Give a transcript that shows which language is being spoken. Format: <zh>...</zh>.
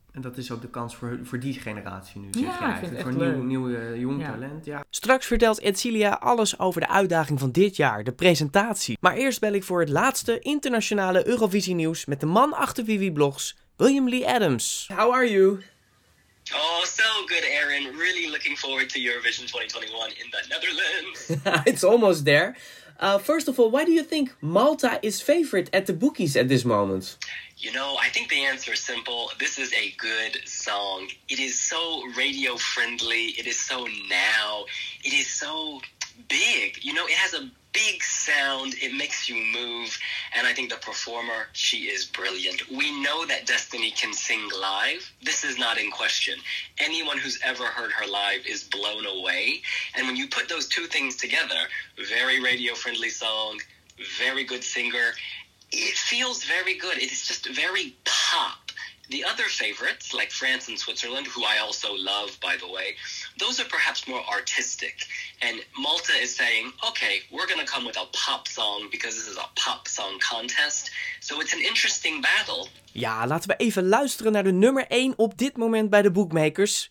<nl>En dat is ook de kans voor die generatie nu, zeg je eigenlijk. Voor nieuw jong talent. Ja. Straks vertelt Edsilia alles over de uitdaging van dit jaar, de presentatie. Maar eerst bel ik voor het laatste internationale Eurovisienieuws met de man achter WiwiBlogs, William Lee Adams.</nl> <en>How are you? Oh, so good, Aaron. Really looking forward to Eurovision 2021 in the Netherlands. It's almost there. First of all, why do you think Malta is favorite at the bookies at this moment? You know, I think the answer is simple. This is a good song. It is so radio friendly. It is so now. It is so big. You know, it has a big sound. It makes you move. And I think the performer, she is brilliant. We know that Destiny can sing live. This is not in question. Anyone who's ever heard her live is blown away. And when you put those two things together, very radio friendly song, very good singer, it feels very good. It is just very pop. The other favorites, like France and Switzerland, who I also love, by the way, those are perhaps more artistic. And Malta is saying, okay, we're going to come with a pop song because this is a pop song contest. So it's an interesting battle.</en> <nl>Ja, laten we even luisteren naar de nummer 1 op dit moment bij de bookmakers.</nl>